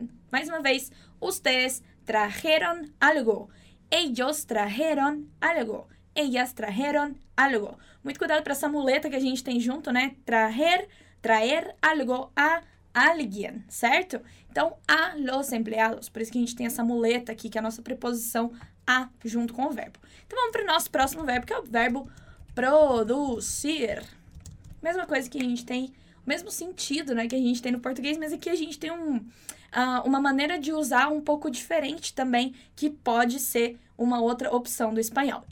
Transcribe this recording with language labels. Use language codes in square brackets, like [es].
[pt] Mais uma vez, [es] ustedes trajeron algo. Ellos trajeron algo. Ellas trajeron algo. [pt] Muito cuidado para essa muleta que a gente tem junto, né? [es] Traer algo a alguien, certo? Então, a los empleados. [pt] Por isso que a gente tem essa muleta aqui, que é a nossa preposição a junto com o verbo. Então, vamos para o nosso próximo verbo, que é o verbo produzir. Mesma coisa que a gente tem, o mesmo sentido, né, que a gente tem no português, mas aqui a gente tem uma maneira de usar um pouco diferente também, que pode ser uma outra opção do espanhol.